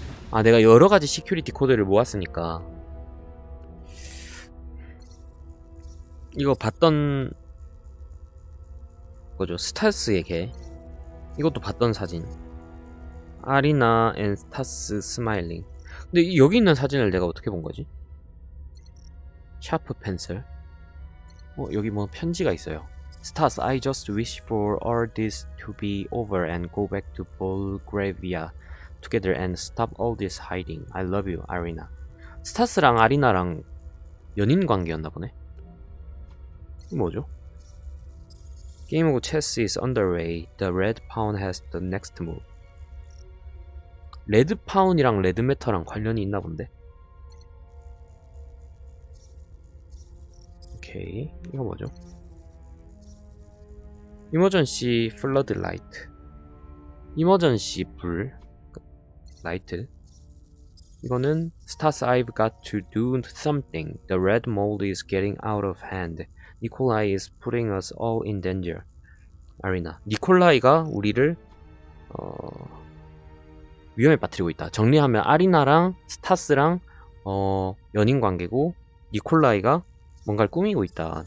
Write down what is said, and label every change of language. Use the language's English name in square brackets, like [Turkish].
[Korean] 아 내가 여러가지 시큐리티 코드를 모았으니까 이거 봤던 거죠. 스타스의 개 이것도 봤던 사진 아리나 앤 스타스 스마일링. 근데 여기 있는 사진을 내가 어떻게 본 거지? 샤프 펜슬. 어, 여기 뭐 편지가 있어요. [English] Stas, I just wish for all this to be over and go back to Bulgravia together and stop all this hiding. I love you, Arina. [Korean] 스타스랑 아리나랑 연인 관계였나 보네. 뭐죠? [English] Game of chess is underway. The red pawn has the next move. [Korean] 레드 파운이랑 레드 메터랑 관련이 있나 본데. 오케이. 이거 뭐죠? [English] Emergency flood light. Emergency 불. Light. [Korean] 이거는 [English] Stas, I've got to do something. The red mold is getting out of hand. Nikolai is putting us all in danger. Arina. [Korean] 니콜라이가 우리를 위험에 빠뜨리고 있다. 정리하면 아리나랑 스타스랑 연인 관계고 니콜라이가 뭔가를 꾸미고 있다.